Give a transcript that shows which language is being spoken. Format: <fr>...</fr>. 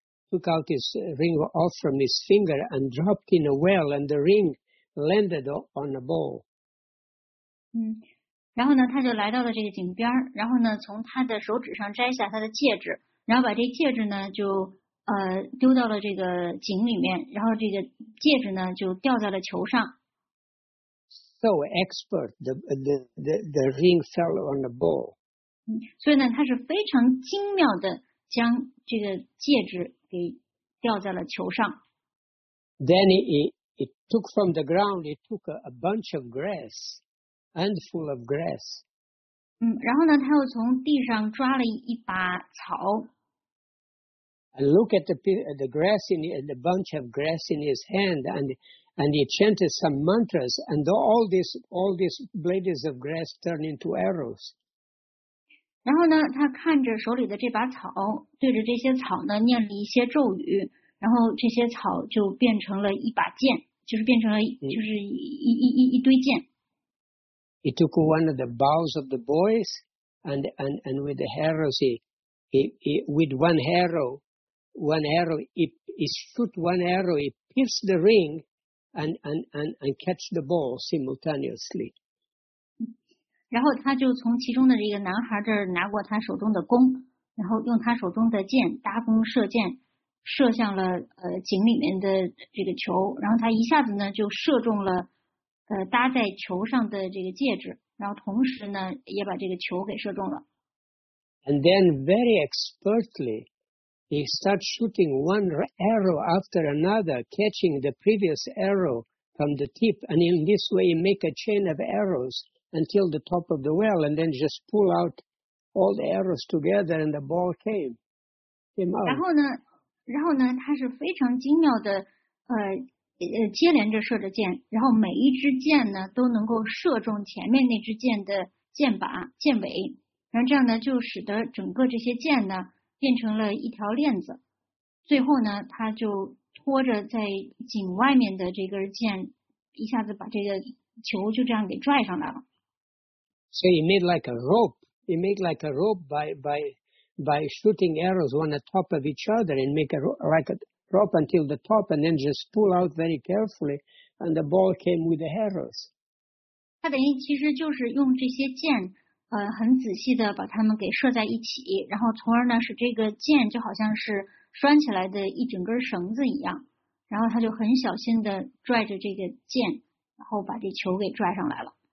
<en>Took out his ring off from his finger and dropped in a well, and the ring landed on a ball.</en> <zh>然后呢，他就来到了这个井边，然后呢，从他的手指上摘下他的戒指，然后把这戒指呢就丢到了这个井里面，然后这个戒指呢就掉在了球上。</zh> <en>So expert, the ring fell on the ball.</en> <zh>所以呢，他是非常精妙的将这个戒指。</zh> <en>Then he took from the ground, he took a bunch of grass, handful of grass.</en> <zh>然后呢，他又从地上抓了一把草。</zh> <en>And look at the grass in the bunch of grass in his hand, and he chanted some mantras, and all these blades of grass turned into arrows.</en> <zh>然后呢，他看着手里的这把草，对着这些草呢念了一些咒语，然后这些草就变成了一把剑，就是变成了就是一堆剑。</zh> <en>He took one of the bows of the boys and with the arrows he pierced the ring and catch the ball simultaneously.</en> <zh>然后他就从其中的这个男孩这儿拿过他手中的弓，然后用他手中的剑搭弓射箭，射向了井里面的这个球，然后他一下子呢就射中了搭在球上的这个戒指，然后同时呢也把这个球给射中了。</zh> <en>And then very expertly, he starts shooting one arrow after another, catching the previous arrow from the tip, and in this way he make a chain of arrows. Until the top of the well, and then just pull out all the arrows together, and the ball came out.</en> <zh>然后呢，他是非常精妙的，接连着射着箭，然后每一支箭呢都能够射中前面那支箭的箭靶、箭尾，然后这样呢就使得整个这些箭呢变成了一条链子。最后呢，他就拖着在井外面的这根箭，一下子把这个球就这样给拽上来了。</zh> <en>So he made like a rope. He made like a rope by shooting arrows one on top of each other and make a rope until the top and then just pull out very carefully and the ball came with the arrows.</en> <zh>他等于其实就是用这些箭很仔细的把它们给射在一起，然后从而呢使这个箭就好像是拴起来的一整根绳子一样，然后他就很小心的拽着这个箭，然后把这球给拽上来了。</zh>